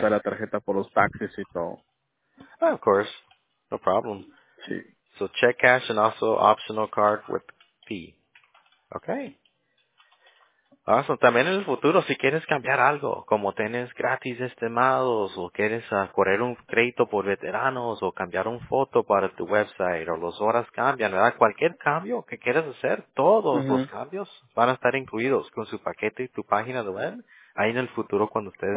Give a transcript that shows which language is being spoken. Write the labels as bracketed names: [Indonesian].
[Spanish] Usar la tarjeta por los taxis y todo. [English] Ah, of course, no problem. [Spanish] Sí. [English] So check cash and also optional card with fee. Okay. Awesome. [Spanish] También en el futuro, si quieres cambiar algo, como tienes gratis estimados, o quieres correr un crédito por veteranos, o cambiar un foto para tu website, o las horas cambian, ¿verdad? Cualquier cambio que quieras hacer, todos los cambios van a estar incluidos con su paquete y tu página de web, ahí en el futuro cuando ustedes